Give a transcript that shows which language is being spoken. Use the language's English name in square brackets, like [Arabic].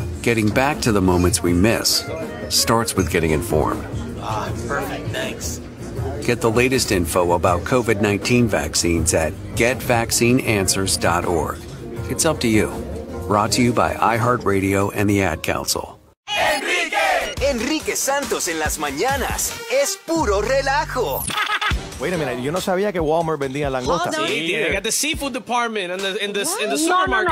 [English] Getting back to the moments we miss starts with getting informed. Ah, perfect. Thanks. Get the latest info about COVID-19 vaccines at getvaccineanswers.org. It's up to you. Brought to you by iHeartRadio and the Ad Council. [Spanish] ¡Enrique! Enrique Santos en las mañanas es puro relajo. [English] Wait a minute, [Spanish] yo no sabía que Walmart vendía langosta. Oh, sí, yeah. [English] They got the seafood department and in the supermarket